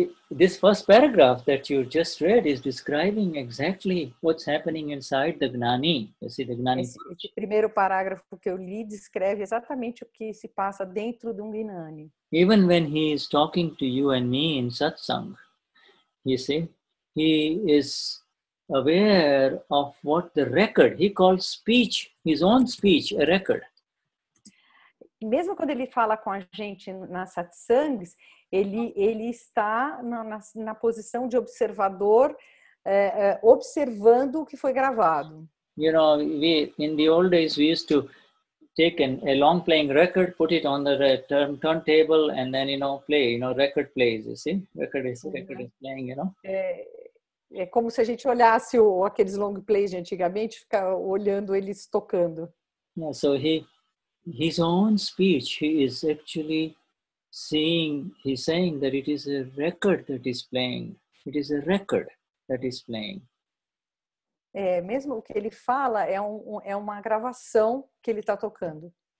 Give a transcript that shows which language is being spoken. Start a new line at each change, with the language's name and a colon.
English: This first paragraph that you just read is describing exactly what's happening inside the Gnani. You see, the Gnani.
Portuguese: Esse primeiro parágrafo que eu li descreve exatamente o que se passa dentro de um Gnani.
English: Even when he is talking to you and me in satsang, you see? He is aware of what the record, he calls speech, his own speech, a record.
Portuguese: Mesmo quando ele fala com a gente nas satsangs, ele está na posição de observador, observando o que foi gravado.
English: You know, in the old days we used to take a long playing record, put it on the turntable and then, you know, play, you know, record plays, you see? Record is playing, you know?
Portuguese: É como se a gente olhasse aqueles long plays de antigamente, ficar olhando eles tocando.
English: Yeah, so his own speech, he is actually seeing, he's saying that it is a record that is playing. It is a record that is playing.
Portuguese: É, mesmo o que ele fala é, é uma gravação que ele está tocando.